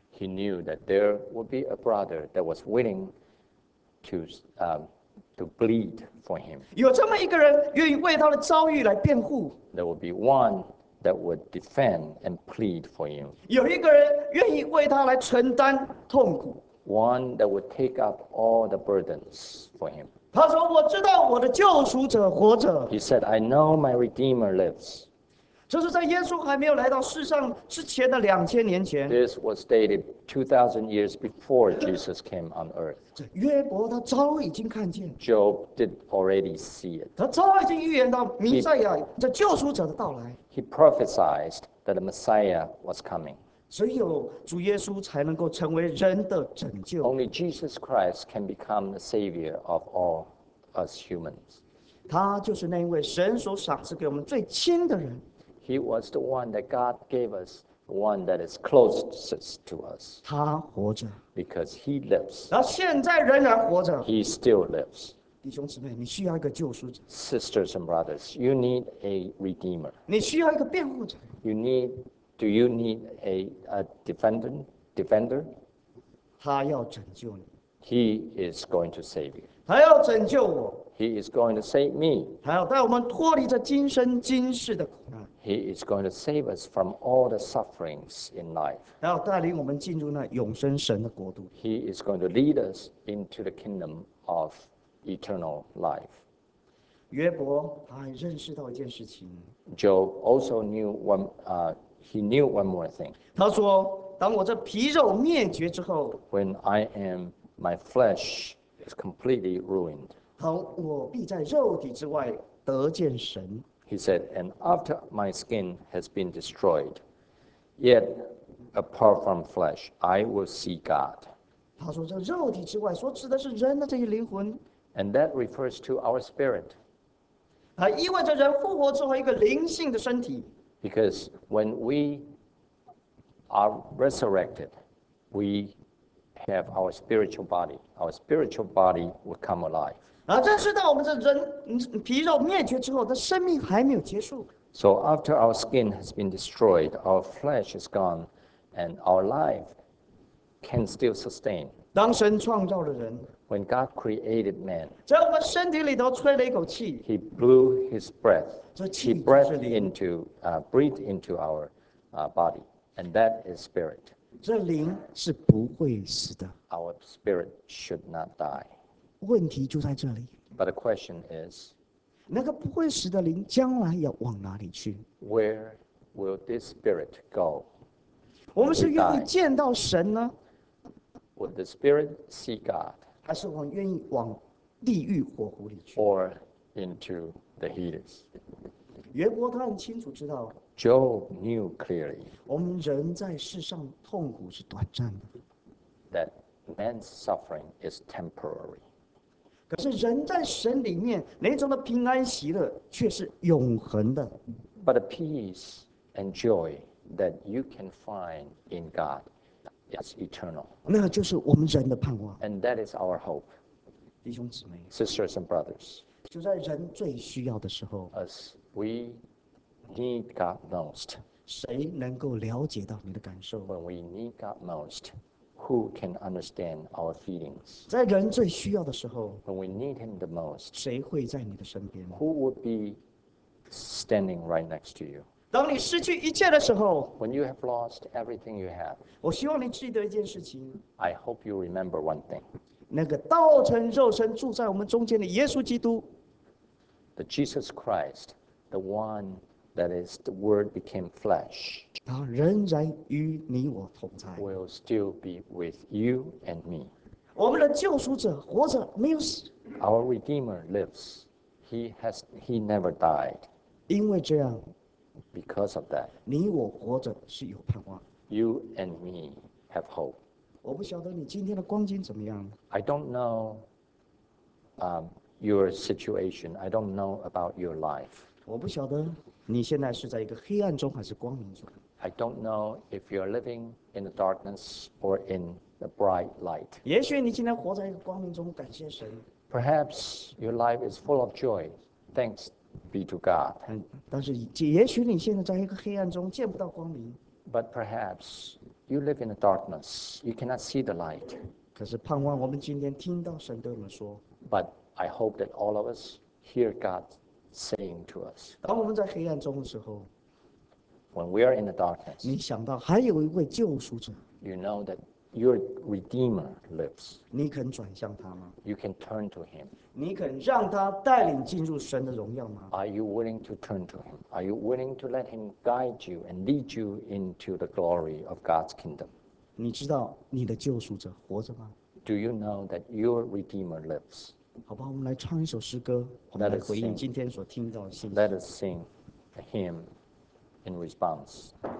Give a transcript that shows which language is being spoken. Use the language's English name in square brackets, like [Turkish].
[English] He knew that there would be a brother that was willing to bleed for him. [Chinese] 有这么一个人愿意为他的遭遇来辩护。 [English] There would be one that would defend and plead for him. [Chinese] 有一个人愿意为他来承担痛苦。 [English] One that would take up all the burdens for him. [Chinese] 他说我知道我的救赎者活着。 [English] He said, I know my Redeemer lives. [Chinese] 这是在耶稣还没有来到世上之前的2000年前。 [English] This was dated 2,000 years before Jesus came on earth. [Chinese] 约伯他早已经看见。 [English] Job did already see it. [Chinese] 他早已经预言到弥赛亚这救赎者的到来。 [English] He prophesied that the Messiah was coming. [Chinese] 只有主耶稣才能够成为人的拯救。 [English] Only Jesus Christ can become the savior of all us humans. [Chinese] 他就是那位神所赏赐给我们最亲的人。 [English] He was the one that God gave us, the one that is closest to us. [Chinese] 他活着。 [English] Because he lives. [Chinese] 然后现在仍然活着。 [English] He still lives. [Chinese] 弟兄姊妹, 你需要一个救赎者。 [English] Sisters and brothers, you need a redeemer. [Chinese] 你需要一个辩护者。 [English] Do you need a defender? [Chinese] 他要拯救你。 [English] He is going to save you. [Chinese] 他要拯救我。 [English] He is going to save me. [Chinese] 他要带我们脱离这今生今世的苦难。 [English] He is going to save us from all the sufferings in life. [Chinese] 他要带领我们进入那永生神的国度。 [English] He is going to lead us into the kingdom of eternal life. [Chinese] 约伯他还认识到一件事情。 [English] Job also knew one more thing. [Chinese] 他说,当我这皮肉灭绝之后, [English] when I am, my flesh is completely ruined. [Chinese] 好,我必在肉体之外得见神。 [English] He said, and after my skin has been destroyed, yet apart from flesh, I will see God. [Chinese] 他说这肉体之外所指的是人的这些灵魂。 [English] And that refers to our spirit. [Chinese] 意味着人复活之后一个灵性的身体。 [English] Because when we are resurrected, we have our spiritual body. Our spiritual body will come alive. [Chinese] 认识到我们这人皮肉灭绝之后，这生命还没有结束。 [English] So after our skin has been destroyed, our flesh is gone, and our life can still sustain. [Chinese] 当神创造了人。 [English] When God created man, [Chinese] 只要我们身体里头吹了一口气 [English] ，He blew His breath. [Chinese] 这气就是灵。 [English] He breathed into, breathed into our, body, and that is spirit. [Chinese] 这灵是不会死的。 [English] Our spirit should not die. [Chinese] 问题就在这里。 [English] But the question is, [Chinese] 那个不会死的灵将来要往哪里去 [English] ？Where will this spirit go? [Chinese] 我们是愿意见到神呢 [English] ？Would the spirit see God? [Chinese] 还是我们愿意往地狱火湖里去 [English] ？Or into the Hades? [Chinese] 约伯他很清楚知道。 [English] Job knew clearly. [Chinese] 我们人在世上痛苦是短暂的。 [English] That man's suffering is temporary. [Chinese] 可是人在神里面那种的平安喜乐却是永恒的。 [English] But the peace and joy that you can find in God. It's eternal. [Chinese] 那就是我们人的盼望。 [English] And that is our hope. [Chinese] 弟兄姊妹。 [English] Sisters and brothers. [Chinese] 就在人最需要的时候。 [English] As we need God most. [Chinese] 谁能够了解到你的感受 [English] ？When we need God most, who can understand our feelings? [Chinese] 在人最需要的时候。 [English] When we need Him the most. [Chinese] 谁会在你的身边 [English] ？Who would be standing right next to you? [Chinese] 当你失去一切的时候 [English] ，When you have lost everything you have， [Chinese] 我希望你记得一件事情。 [English] I hope you remember one thing。 [Chinese] 那个道成肉身住在我们中间的耶稣基督 [English] ，The Jesus Christ, the one that is the Word became flesh， [Chinese] 他仍然与你我同在。 [English] Will still be with you and me。 [Chinese] 我们的救赎者活着没有死。 [English] Our Redeemer lives. He never died。 [Chinese] 因为这样。 [English] Because of that, [Chinese] 你我活着是有盼望。 [English] You and me have hope. [Chinese] 我不晓得你今天的光景怎么样。 [English] I don't know, your situation. I don't know about your life. [Chinese] 我不晓得你现在是在一个黑暗中还是光明中。 [English] I don't know if you're living in the darkness or in the bright light. [Chinese] 也许你今天活在一个光明中，感谢神。 [English] Perhaps your life is full of joy. Thanks. Be to God. [Chinese] 但是也许你现在在一个黑暗中见不到光明。 [English] But perhaps you live in the darkness. You cannot see the light. [Chinese] 可是盼望我们今天听到神对我们说。 [English] But I hope that all of us hear God saying to us. [Chinese] 当我们在黑暗中的时候。 [English] When we are in the darkness. [Chinese] 你想到还有一位救赎者。 [English] You know that your Redeemer lives. [Chinese] 你肯转向他吗 [English] ？You can turn to him. [Chinese] 你肯让他带领进入神的荣耀吗 [English] ？Are you willing to turn to him? Are you willing to let him guide you and lead you into the glory of God's kingdom? [Chinese] 你知道你的救赎者活着吗 [English] ？Do you know that your Redeemer lives? [Chinese] 好吧，我们来唱一首诗歌，我们来回应今天所听到的信息。 [English] Let us sing a hymn in response.